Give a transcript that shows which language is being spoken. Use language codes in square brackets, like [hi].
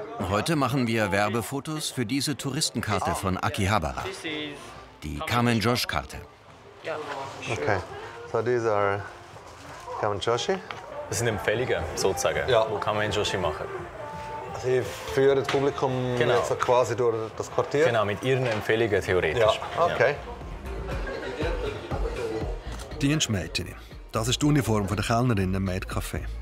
[de] Heute machen wir Werbefotos für diese Touristenkarte von Akihabara. Die Cam & Josh-Karte. [en] Okay, so these are Cam & Joshi. [de] Das sind Empfehlungen, sozusagen, ja. Wo Cam & Joshi machen. Sie führen das Publikum genau. Jetzt quasi durch das Quartier? Genau, mit ihren Empfehlungen theoretisch. Ja. Okay. Dienstmädchen. Das ist die Uniform der Kellnerin im Maid Café.